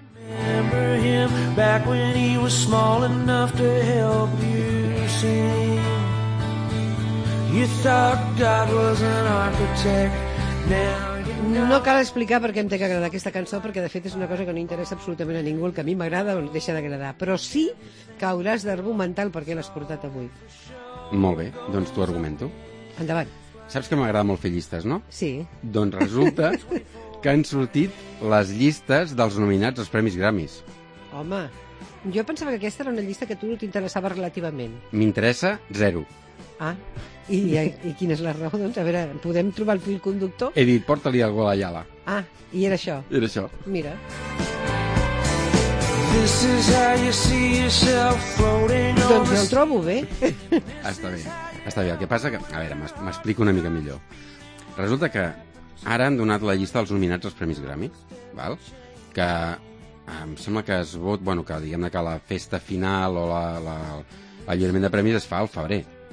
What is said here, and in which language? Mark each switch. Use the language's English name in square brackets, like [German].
[English] Remember him back when he was small enough to help you sing. You thought God was an architect. Now [Catalan] no cal explicar per què em té que agradar aquesta cançó, perquè de fet és una cosa que no interessa absolutament a ningú, el que a mi m'agrada o deixa d'agradar, però sí que hauràs d'argumentar el per què l'has portat avui. Molt bé, doncs t'ho argumento. Endavant. Saps que m'agrada molt fer llistes, no? Sí. Doncs resulta que han sortit les llistes dels nominats als Premis Grammys. Home, jo pensava que aquesta era una llista que a tu no t'interessava relativament. M'interessa zero. Ah, i quina és la raó, doncs? A veure, podem trobar el fil conductor? He dit, porta-li algú a la Yala. Ah, i era això? Era això. Mira. [English] This is how you see yourself floating on... [Catalan] Doncs el trobo bé. Està bé, està bé. El que passa que... A veure, m'explico una mica millor. Resulta que ara han donat la llista dels nominats als Premis Grammy, val? Que em sembla que es vot... Bueno, que diguem-ne que la festa final o el lliurament de premis es fa al febrer.